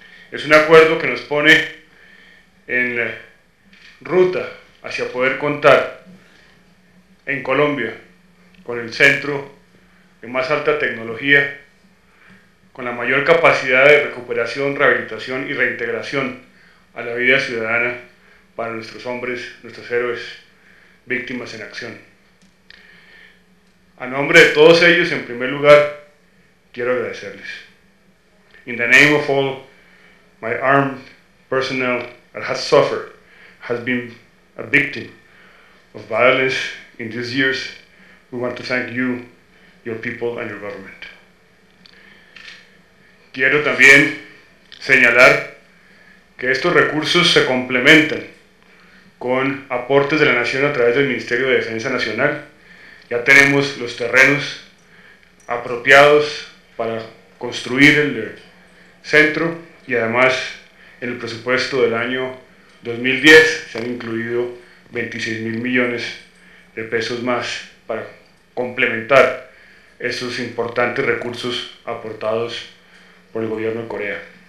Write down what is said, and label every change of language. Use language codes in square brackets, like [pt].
[es] Es un acuerdo que nos pone en ruta hacia poder contar en Colombia con el centro de más alta tecnología, con la mayor capacidad de recuperación, rehabilitación y reintegración a la vida ciudadana para nuestros hombres, nuestros héroes, víctimas en acción. A nombre de todos ellos, en primer lugar, quiero agradecerles. [en] In the name of all my armed personnel that has suffered, has been a victim of violence in these years, we want to thank you, your people and your government. [es] Quiero también señalar que estos recursos se complementan con aportes de la Nación a través del Ministerio de Defensa Nacional. Ya tenemos los terrenos apropiados para construir el centro y además en el presupuesto del año 2010 se han incluido 26 mil millones de pesos más para complementar esos importantes recursos aportados por el gobierno de Corea.